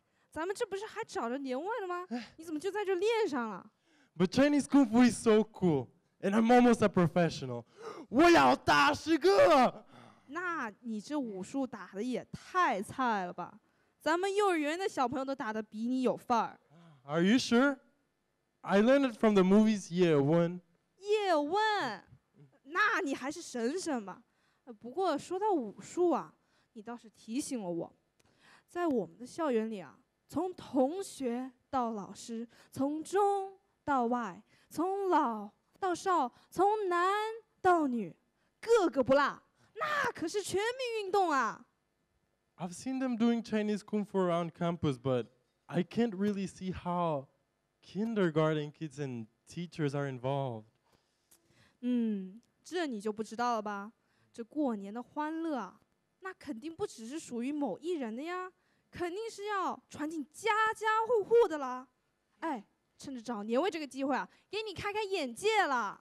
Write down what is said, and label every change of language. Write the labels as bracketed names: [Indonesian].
[Chinese] 咱们这不是还找着年味了吗？你怎么就在这练上了？ [English] But Chinese Kung Fu is so cool, and I'm almost a professional. [Chinese] 我要打十个。那你这武术打的也太菜了吧？咱们幼儿园的小朋友都打得比你有范儿。 [English] Are you sure? I learned it from the movies Ye Wen. [Chinese] Ye Wen? 那你还是省省吧。不过说到武术啊，你倒是提醒了我，在我们的校园里啊，从同学到老师，从中到外，从老到少，从男到女，个个不落，那可是全民运动啊。 [English] I've seen them doing Chinese Kung Fu around campus, but I can't really see how kindergarten kids and teachers are involved. [Chinese] 这你就不知道了吧？这过年的欢乐啊，那肯定不只是属于某一人的呀，肯定是要传进家家户户的啦。哎，趁着找年味这个机会啊，给你开开眼界了。